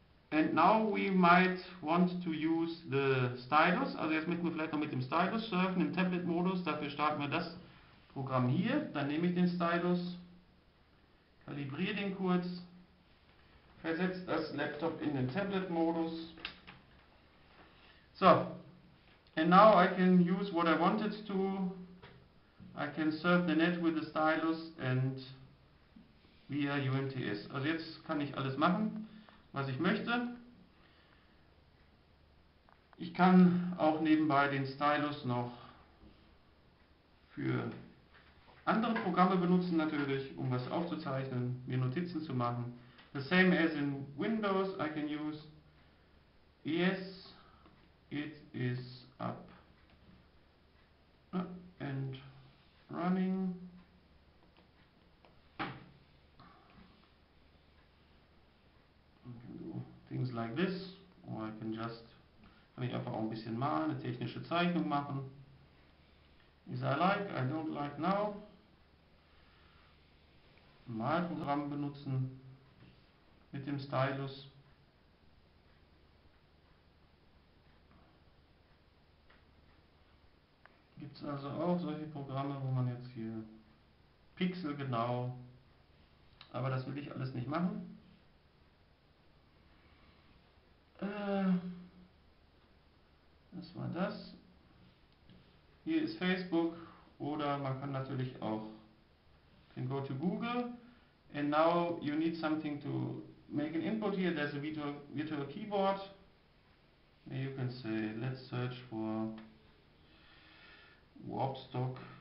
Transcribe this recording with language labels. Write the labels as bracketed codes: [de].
[en] And now we might want to use the Stylus. [de] Also jetzt müssen wir vielleicht noch mit dem Stylus surfen im Tablet-Modus. Dafür starten wir das Programm hier. Dann nehme ich den Stylus, kalibriere den kurz, versetze das Laptop in den Tablet-Modus. So. [en] And now I can use what I wanted to. I can surf the net with the Stylus and via UMTS. [de] Also jetzt kann ich alles machen, was ich möchte. Ich kann auch nebenbei den Stylus noch für andere Programme benutzen, natürlich, um was aufzuzeichnen, mir Notizen zu machen. [en] The same as in Windows, I can use ES, it is up and running. Things like this, or I can just [de] Kann ich einfach auch ein bisschen malen, eine technische Zeichnung machen. [en] Is I like, I don't like now. [de] Malprogramm benutzen mit dem Stylus. Gibt es also auch solche Programme, wo man jetzt hier pixelgenau, aber das will ich alles nicht machen. Das war das. Hier ist Facebook oder man kann natürlich auch [en] can go to Google. And now you need something to make an input here. There's a virtual keyboard. And you can say, let's search for Warpstock.